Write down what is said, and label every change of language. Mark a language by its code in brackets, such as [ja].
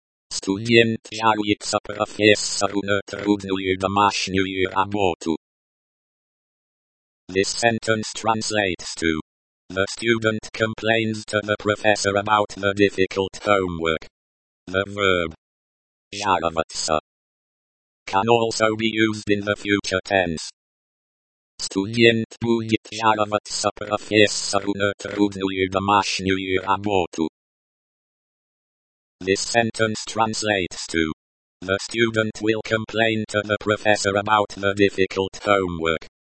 [ru] Студент жалуется профессору на трудную домашнюю работу. [en] This sentence translates to: the student complains to the professor about the difficult homework. The verb жаловаться can also be used in the future tense. [ru] Студент будет жаловаться профессору на трудную домашнюю работу. [en] This sentence translates to: the student will complain to the professor about the difficult homework.